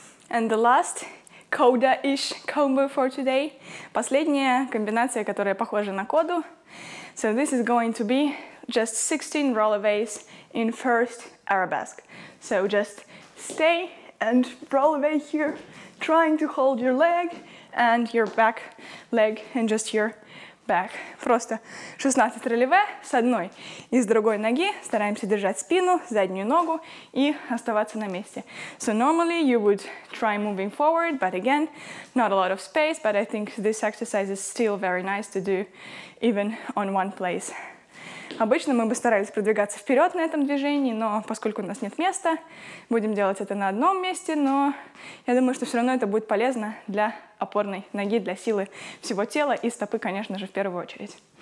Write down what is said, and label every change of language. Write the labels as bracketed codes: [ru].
[en] And the last coda-ish combo for today. [ru] Последняя комбинация, которая похожа на коду. [en] So this is going to be just 16 releves in first arabesque. So just stay and releve here, trying to hold your leg and your back leg and just your back. [ru] Просто 16 ролеве с одной и с другой ноги. Стараемся держать спину, заднюю ногу и оставаться на месте. [en] So normally you would try moving forward, but again, not a lot of space, but I think this exercise is still very nice to do even on one place. [ru] Обычно мы бы старались продвигаться вперед на этом движении, но поскольку у нас нет места, будем делать это на одном месте, но я думаю, что все равно это будет полезно для опорной ноги, для силы всего тела и стопы, конечно же, в первую очередь.